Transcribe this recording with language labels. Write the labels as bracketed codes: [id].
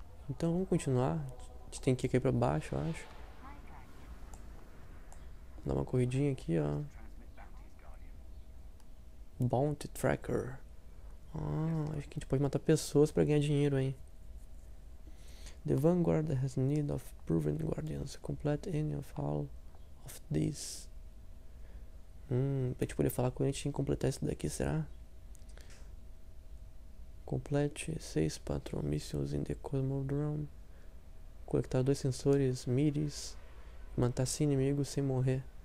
[pt] Então vamos continuar. A gente tem que ir aqui pra baixo, eu acho. Dá uma corridinha aqui, ó. Bounty Tracker. Ah, acho que a gente pode matar pessoas pra ganhar dinheiro, hein? [en] The Vanguard has need of proven guardians. Complete any of all of these. [pt] Pra gente poder falar com a gente em completar isso daqui, será? [en] Complete 6 patrol missions in the Cosmodrome. [pt] Coletar dois sensores, mires. Matar 100 inimigos sem morrer.